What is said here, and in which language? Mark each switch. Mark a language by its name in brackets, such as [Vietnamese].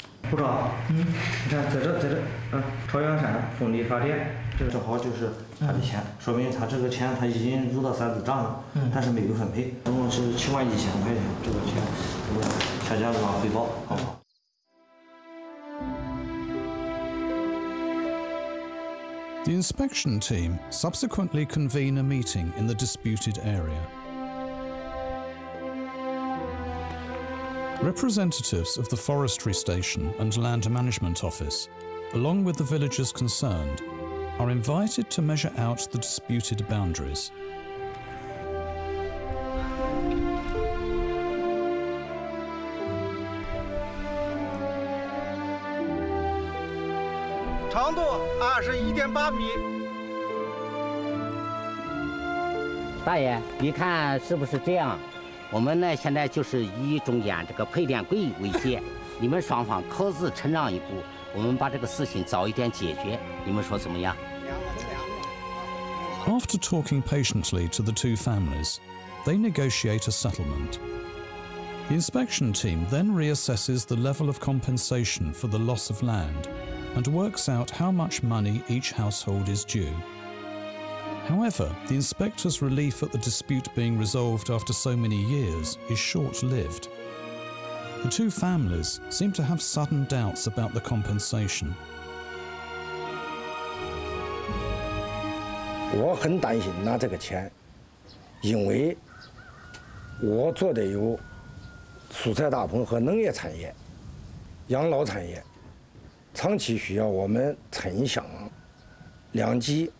[Chinese] 部长，你看在这，朝阳山风力发电，这个正好就是他的钱，说明他这个钱他已经入到三子账了，但是没有分配，总共是71,000块钱，这个钱我们下家给他汇报，好不好？ [English] The inspection team subsequently convened a meeting in the disputed area. Representatives of the forestry station and land management office, along with the villagers concerned, are invited to measure out the disputed boundaries. Length 21.8 meters. [Chinese] 大爷，你看是不是这样？我们呢，现在就是以中间这个配电柜为界，你们双方各自承让一步，我们把这个事情早一点解决，你们说怎么样？ [English] After talking patiently to the two families, they negotiate a settlement. The inspection team then reassesses the level of compensation for the loss of land and works out how much money each household is due. However, the inspector's relief at the dispute being resolved after so many years is short-lived. The two families seem to have sudden doubts about the compensation. [Chinese] 我很担心拿这个钱，因为我做的有蔬菜大棚和农业产业、养老产业，长期需要我们城乡两级。